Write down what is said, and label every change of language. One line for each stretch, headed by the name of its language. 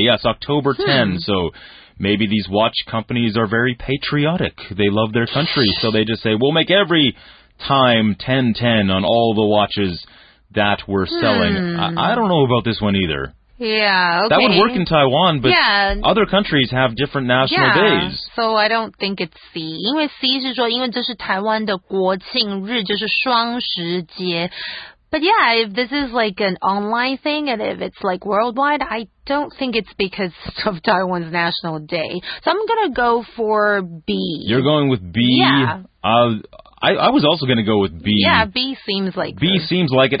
English: Yes, October 10. So maybe these watch companies are very patriotic. They love their country. So they just say, we'll make every time 10:10 on all the watches that we're selling. I don't know about this one either. Yeah, okay. That would work in Taiwan, but other countries have different national days. So I don't think it's C.
Chinese: 因为 C 是说因为这是台湾的国庆日就是双十节。
English: But yeah, if this is like an online thing and if it's like worldwide, I don't think it's because of Taiwan's national day. So I'm going to go for B. You're going with B? Yeah. I was also going to go with B. Yeah, B seems like it. Seems like it.